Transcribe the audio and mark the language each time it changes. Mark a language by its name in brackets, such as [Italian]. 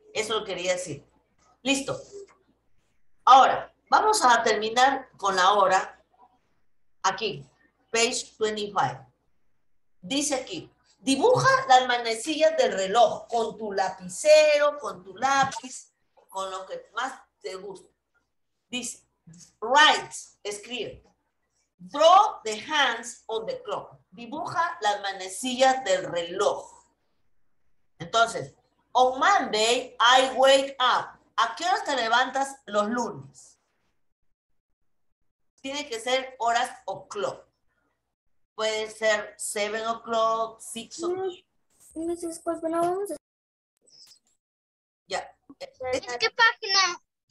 [Spanish] Eso lo quería decir. Listo. Ahora, vamos a terminar con la hora. Aquí, [English] page 25. [Spanish] Dice aquí, dibuja las manecillas del reloj con tu lapicero, con tu lápiz, con lo que más te guste. Dice, write, escribe. [English] Draw the hands on the clock. [Spanish] Dibuja las manecillas del reloj. Entonces, [English] on Monday, I wake up. [Spanish] ¿A qué hora te levantas los lunes? Tiene que ser horas o clock. Puede ser [English] 7 o'clock, 6 o'clock. [Spanish] No, no sé, pues, ya. ¿Es qué página?